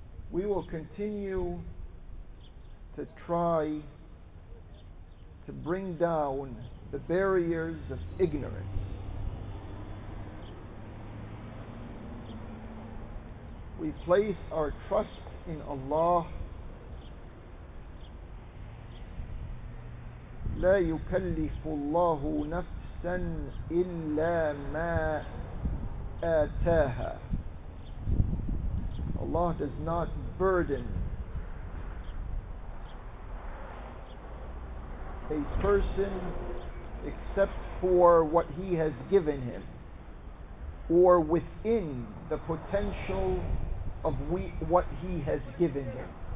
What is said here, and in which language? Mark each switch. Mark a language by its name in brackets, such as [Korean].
[English] We will continue to try to bring down the barriers of ignorance. We place our trust in Allah. [Arabic] لا يكلف الله نفسا إلا ما آتاها. [English] Allah does not burden a person except for what he has given him or within the potential of what he has given him.